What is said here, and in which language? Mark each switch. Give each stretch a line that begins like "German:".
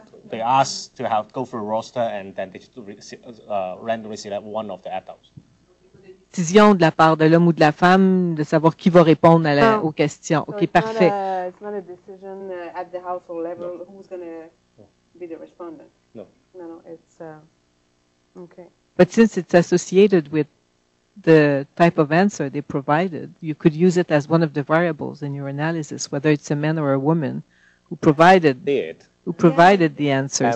English: They ask to have go through a roster and then they randomly select one of the adults.
French: Décision de la part de l'homme ou de la femme de savoir qui va répondre à aux questions.
English: So
French: OK, parfait.
English: It's not a decision at the household level who's going to be the respondent. No, it's OK. But since it's associated with the type of answer they provided, you could use it as one of the variables in your analysis, whether it's a man or a woman who provided the answers.